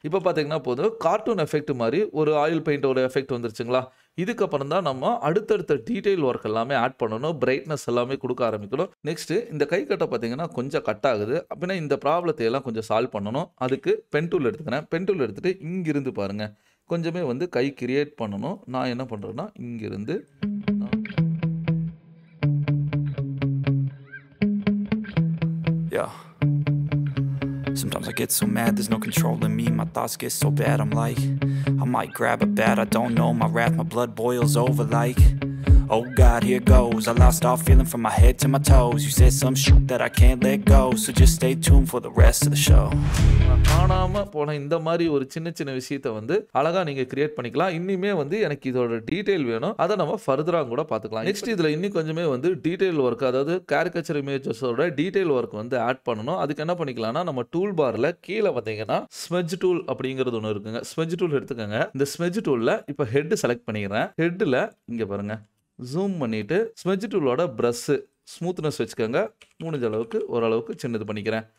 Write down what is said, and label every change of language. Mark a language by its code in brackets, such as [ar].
[ta] இப்போ பார்த்தீங்கன்னா போதும் கார்ட்டூன் எஃபெக்ட் மாதிரி ஒரு ஆயில் பெயிண்ட்டோட எஃபெக்ட் வந்துருச்சுங்களா. இதுக்கப்புறம் தான் நம்ம அடுத்தடுத்த டீட்டெயில் ஒர்க் எல்லாமே ஆட் பண்ணணும், பிரைட்னஸ் எல்லாமே கொடுக்க ஆரம்பிக்கணும். நெக்ஸ்ட்டு இந்த கை கட்டை பார்த்தீங்கன்னா கொஞ்சம் கட் ஆகுது, அப்படின்னா இந்த ப்ராப்ளத்தையெல்லாம் கொஞ்சம் சால்வ் பண்ணணும். அதுக்கு பென்டூல் எடுத்துக்கிறேன். பென்டூல் எடுத்துகிட்டு இங்கிருந்து பாருங்கள் கொஞ்சமே வந்து கை கிரியேட் பண்ணணும். நான் என்ன பண்ணுறேன்னா இங்கிருந்து [en] Sometimes I get so mad there's no control in me my thoughts get so bad I'm like I might grab a bat I don't know my wrath my blood boils over like oh god here goes I lost all feeling from my head to my toes you said some shit that I can't let go so just stay tuned for the rest of the show [ta] காணாம போன இந்த மாதிரி ஒரு சின்ன சின்ன விஷயத்தை வந்து அழகா நீங்க கிரியேட் பண்ணிக்கலாம். இன்னிமே வந்து எனக்கு இதோட டீடைல் வேணும், அதை நம்ம ஃபர்தரா கூட பார்த்துக்கலாம். நெக்ஸ்ட் இதுல இன்னும் கொஞ்சமே வந்து டீடைல் ஒர்க், அதாவது கேரிகேச்சர் இமேஜஸோட டீடைல் ஒர்க் வந்து ஆட் பண்ணணும். அதுக்கு என்ன பண்ணிக்கலாம்னா நம்ம டூல் பார்ல கீழே பார்த்தீங்கன்னா ஸ்மெஜ் டூல் அப்படிங்கிறது ஒன்று இருக்குங்க, ஸ்மெஜ் டூல் எடுத்துக்கோங்க. இந்த ஸ்மெஜ் டூல்ல இப்போ ஹெட் செலக்ட் பண்ணிக்கிறேன். ஹெட்ல இங்க பாருங்க ஜூம் பண்ணிட்டு ஸ்மெஜ் டூலோட ப்ரஷ் ஸ்மூத்னஸ் வச்சுக்கோங்க, முடிஞ்ச அளவுக்கு ஓரளவுக்கு சின்னது பண்ணிக்கிறேன்.